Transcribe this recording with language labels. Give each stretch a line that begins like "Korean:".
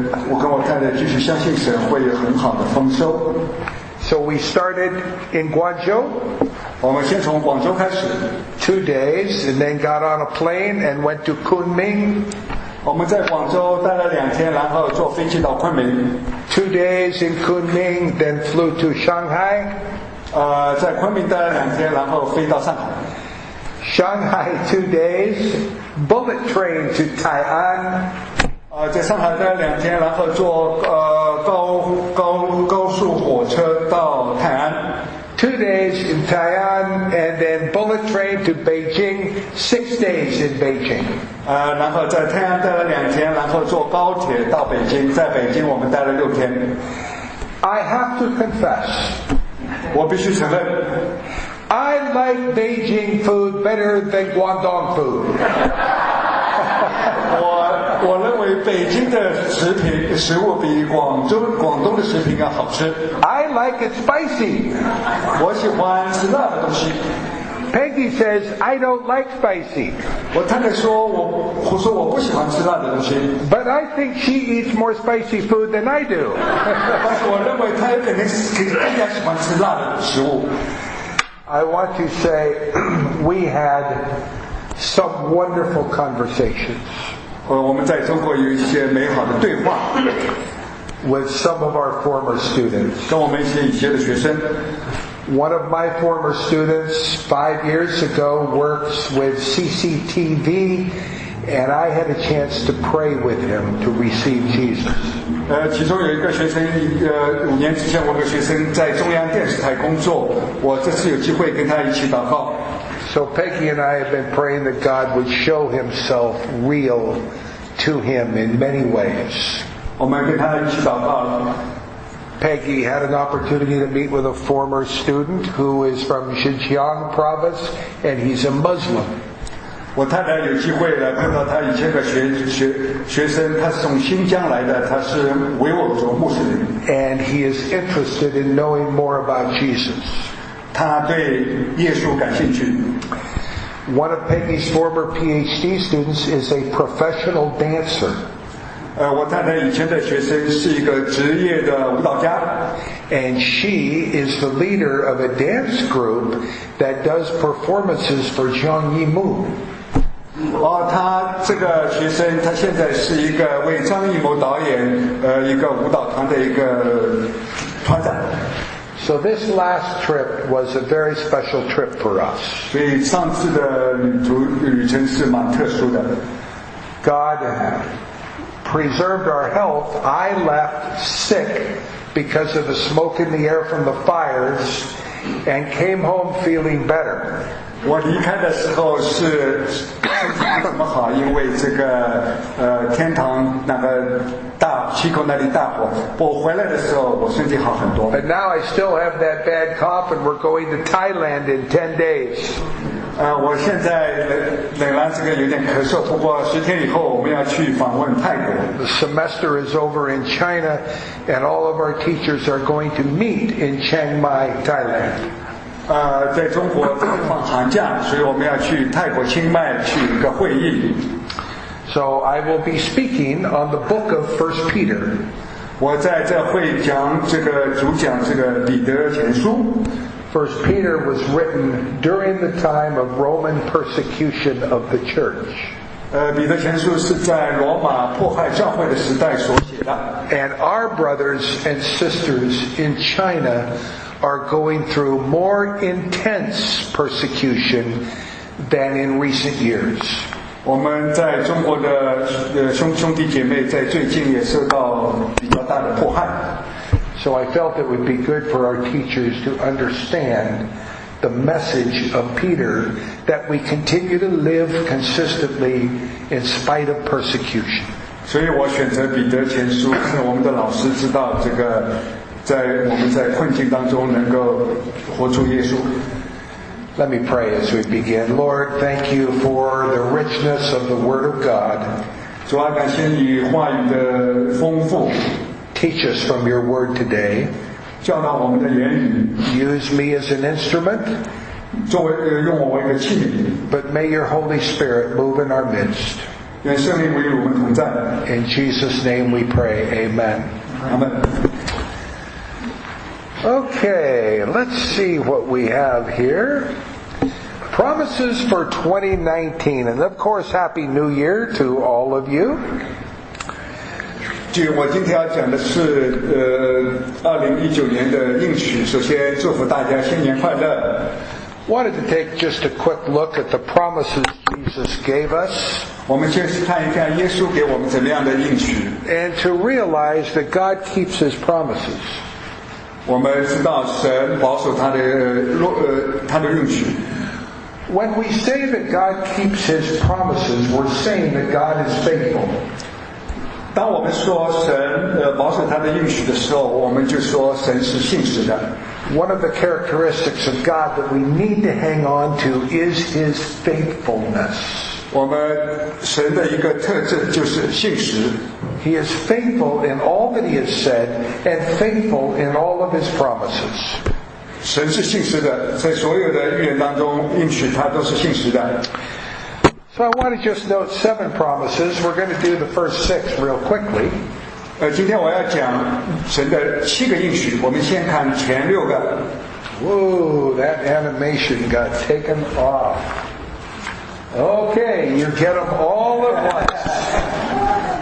Chinese: 我跟我太太继续相信神会有很好的丰收。
English: So we started in Guangzhou.
Chinese: 我们先从广州开始。
English: 2 days, and then got on a plane and went to Kunming.
Chinese: 我们在广州待了两天，然后坐飞机到昆明。
English: 2 days in Kunming, then flew to Shanghai.
Chinese: 在昆明待了两天，然后飞到上海。
English: Shanghai 2 days, bullet train to Tai'an.
Chinese: 在上海待了两天，然后坐高速火车到泰安。
English: 2 days in Tai'an, and then bullet train to Beijing. 6 days in Beijing.
Chinese: 然后在泰安待了两天，然后坐高铁到北京，在北京我们待了6天。
English: I have to confess.
Chinese: 我必须承认。
English: I like Beijing food better than Guangdong food.
Chinese: 我认为北京的食物比广东的食品要好吃。
English: I like it spicy.
Chinese: 我喜欢吃辣的东西。
English: Peggy says, I don't like spicy.
Chinese: 我太太说，我说我不喜欢吃辣的东西。
English: But I think she eats more spicy food than I do.
Chinese: 但是我认为她肯定是更加喜欢吃辣的食物。
English: I want to say, we had some wonderful conversations.
Chinese: 我们在中国有一些美好的对话。
English: With some of our former students.
Chinese: 跟我们一些以前的学生。
English: One of my former students 5 years ago works with CCTV, and I had a chance to pray with him to receive Jesus.
Chinese: 其中有一个学生，五年之前我的学生在中央电视台工作，我这次有机会跟他一起祷告。
English: So Peggy and I have been praying that God would show himself real to him in many ways.
Chinese: 我们跟他一起祷告了。
English: Peggy had an opportunity to meet with a former student who is from Xinjiang province, and he's a Muslim.
Chinese: 我太太有机会来碰到他以前的 学生，他是从新疆来的，他是维吾尔族穆斯林。
English: And he is interested in knowing more about Jesus.
Chinese: 他对耶稣感兴趣。
English: One of Peggy's former PhD students is a professional dancer.
Chinese: 我太太以前的学生是一个职业的舞蹈家。
English: And she is the leader of a dance group that does performances for Zhang Yimou.
Chinese: 她这个学生，她现在是一个为张艺谋导演一个舞蹈团的一个团长。
English: So this last trip was a very special trip for us.
Chinese: 所以上次的旅程是蛮特殊的。
English: God preserved our health, I left sick because of the smoke in the air from the fires and came home feeling better.
Chinese: 我离开的时候是身体没什么好，因为这个天堂那个大气口那里大火。我回来的时候，我身体好很多。
English: But now I still have that bad cough, and we're going to Thailand in 10 days.
Chinese: 我现在仍然这个有点咳嗽，不过十天以后我们要去访问泰国。
English: The semester is over in China, and all of our teachers are going to meet in Chiang Mai, Thailand.
Chinese: 在中国放长假，所以我们要去泰国清迈去一个会议。
English: So I will be speaking on the book of First Peter.
Chinese: 我在这会讲这个主讲这个彼得前书。
English: First Peter was written during the time of Roman persecution of the church.
Chinese: 彼得前书是在罗马迫害教会的时代所写的。
English: And our brothers and sisters in China. Are going through more intense persecution than in recent years.
Chinese: 我们在中国的兄弟姐妹在最近也受到比较大的迫害。
English: So I felt it would be good for our teachers to understand the message of Peter that we continue to live consistently in spite of persecution.
Chinese: 所以我选择彼得前书，让我们的老师知道这个。在我们在困境当中能够活出耶稣。
English: Let me pray as we begin. Lord, thank you for the richness of the word of God.
Chinese: 主啊，感谢你话语的丰富。
English: Teach us from your word today.
Chinese: 教导我们的言语。
English: Use me as an instrument.
Chinese: 作为用我为一个器皿。
English: But may your Holy Spirit move in our midst.
Chinese: 愿圣灵与我们同在。
English: In Jesus' name we pray. Amen. Amen. Okay, let's see what we have here. Promises for 2019. And of course, Happy New Year to all of you.
Chinese: 我今天要讲的是2019年的应许。首先祝福大家新年快乐。
English: Wanted to take just a quick look at the promises Jesus gave us.
Chinese: 我们先看一下耶稣给我们怎么样的应许。
English: And to realize that God keeps his promises.
Chinese: 我们知道神保守他的他的应许。
English: When we say that God keeps His promises, we're saying that God is faithful.
Chinese: 当我们说神保守他的应许的时候，我们就说神是信实的。
English: One of the characteristics of God that we need to hang on to is His faithfulness.
Chinese: 我们神的一个特征就是信实。
English: He is faithful in all that he has said and faithful in all of his promises.
Chinese: 神是信实的，在所有的预言当中应许他都是信实的。
English: So I want to just note 7 promises. We're going to do the first 6 real quickly.
Chinese: 今天我要讲神的七个应许，我们先看前六个。
English: Whoa, that animation got taken off. Okay, you get them all at once.